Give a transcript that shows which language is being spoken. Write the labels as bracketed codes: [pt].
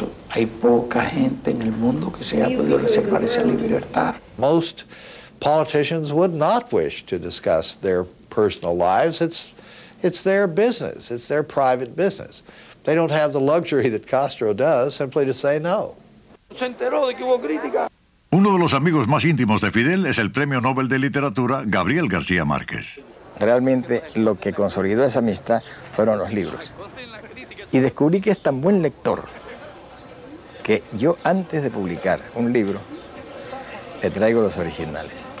[es] Hay poca gente en el mundo que se haya podido reservar esa libertad. [en] Most politicians would not wish to discuss their personal lives. It's their business. It's their private business. They don't have the luxury that Castro does simply to say no. [es] Se enteró de que hubo crítica. Uno de los amigos más íntimos de Fidel es el premio Nobel de Literatura, Gabriel García Márquez. Realmente lo que consolidó esa amistad fueron los libros. Y descubrí que es tan buen lector que yo, antes de publicar un libro, le traigo los originales.